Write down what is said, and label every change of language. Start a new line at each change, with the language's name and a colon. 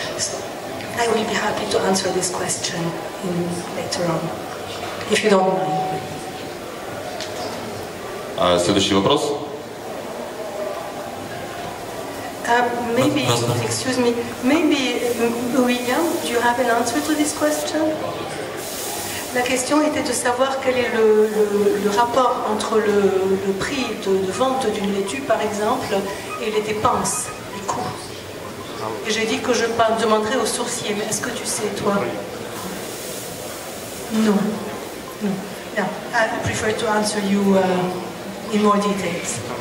English: So I will be happy to answer this question in, later on, if you don't mind.
Russian: Следующий вопрос.
English: Maybe, excuse me, maybe William, do you have an answer to this question?
French: La question était de savoir quel est le rapport entre le prix de vente d'une laitue, par exemple, et les dépenses, les coûts. Et j'ai dit que je demanderais au sourcier, mais est-ce que tu sais, toi? Non. Non.
English: I prefer to answer you in more details.